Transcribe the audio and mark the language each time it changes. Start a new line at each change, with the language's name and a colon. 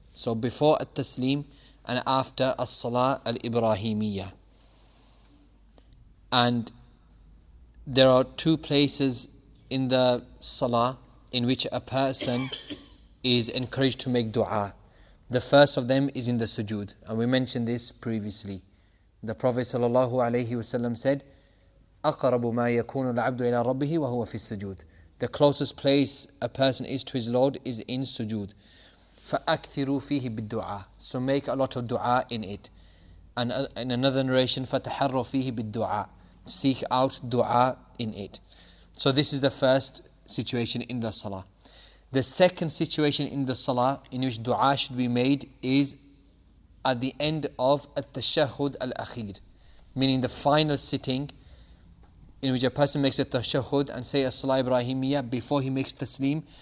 English: So before At-Taslim and after As-Salah al-Ibrahimiyyah. And there are two places in the salah in which a person is encouraged to make dua. The first of them is in the sujood. And we mentioned this previously. The Prophet sallallahu alayhi wasallam said,
Arabic: أَقْرَبُ مَا يَكُونُ الْعَبْدُ إِلَىٰ رَبِّهِ وَهُوَ فِي السُّجُودِ.
English: The closest place a person is to his Lord is in sujood.
Arabic: فَأَكْثِرُوا فِيهِ بِالدُّعَى.
English: So make a lot of dua in it. And in another narration,
Arabic: فَتَحَرُّ فِيهِ بِالدُّعَى.
English: Seek out dua in it. So this is the first situation in the salah. The second situation in the salah in which dua should be made is at the end of at-tashahhud al-akhir, meaning the final sitting in which a person makes a tashahhud and say a salah ibrahimiyyah before he makes taslim.